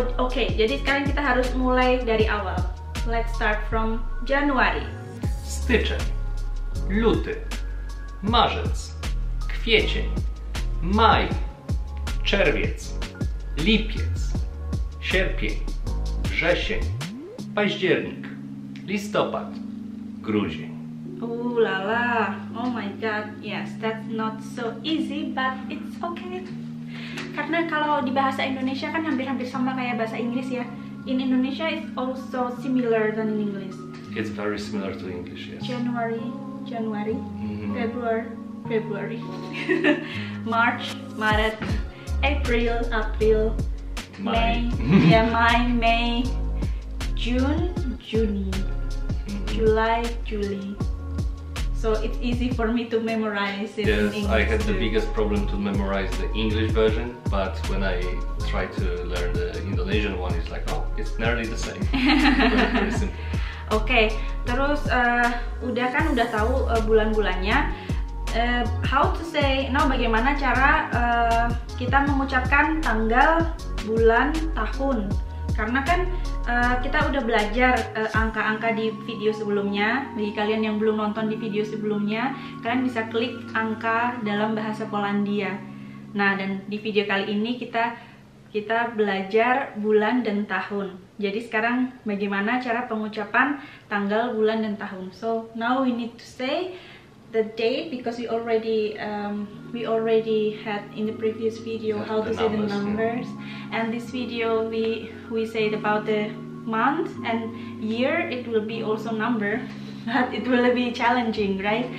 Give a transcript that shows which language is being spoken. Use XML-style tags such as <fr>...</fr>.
<id>Okay, jadi sekarang kita harus mulai dari awal.</id> <en>Let's start from January.</en> <pl>Styczeń, luty, marzec, kwiecień, maj, czerwiec, lipiec, sierpień, wrzesień, październik, listopad, grudzień.</pl> <en>Ooh la la, oh my god, yes, that's not so easy, but it's okay.</en> <id>Karena kalau di bahasa Indonesia kan hampir-hampir sama kayak bahasa Inggris ya.</id> <en>In Indonesia it's also similar than in English. It's very similar to English, yes. January, January, mm-hmm. February, February, March, Maret, April, April, May, yeah, Mai, May, June, Juni, mm-hmm. July, July. So it's easy for me to memorize it, yes, in English. Yes, I had too. The biggest problem to memorize the English version, but when I try to learn the Indonesian one, it's like, oh, it's nearly the same. Very simple.</en> <id>Okay, terus udah kan udah tahu bulan-bulannya.</id> <en>How to say, now</en> <id>bagaimana cara kita mengucapkan tanggal, bulan, tahun? Karena kan kita udah belajar angka-angka di video sebelumnya. Bagi kalian yang belum nonton di video sebelumnya, kalian bisa klik angka dalam bahasa Polandia. Nah, dan di video kali ini kita belajar bulan dan tahun. Jadi sekarang bagaimana cara pengucapan tanggal, bulan, dan tahun.</id> <en>So, now we need to say the date because we already had in the previous video how to say the numbers, yeah. And this video we said about the month and year, it will be also number, but it will be challenging, right?</en>